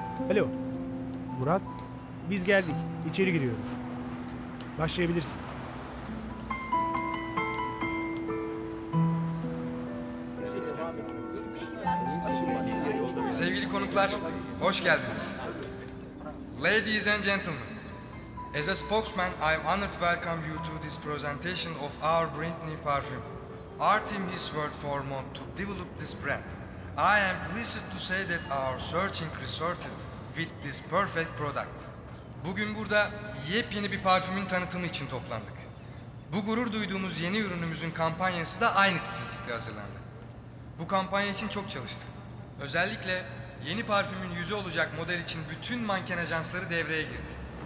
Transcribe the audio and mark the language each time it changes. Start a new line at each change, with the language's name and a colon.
Turkish: Alo, Murat. Biz geldik, içeri giriyoruz. Başlayabilirsin. Sevgili konuklar, hoş geldiniz.
English: Ladies and gentlemen, as a spokesman, I'm honored to welcome you to this presentation of our brand new perfume. Our team has worked for months to develop this brand. I am pleased to say that our searching resulted with this perfect product.
Turkish: Bugün burada yepyeni bir parfümün tanıtımı için toplandık. Bu gurur duyduğumuz yeni ürünümüzün kampanyası da aynı titizlikle hazırlandı. Bu kampanya için çok çalıştık. Özellikle yeni parfümün yüzü olacak model için bütün manken ajansları devreye girdi.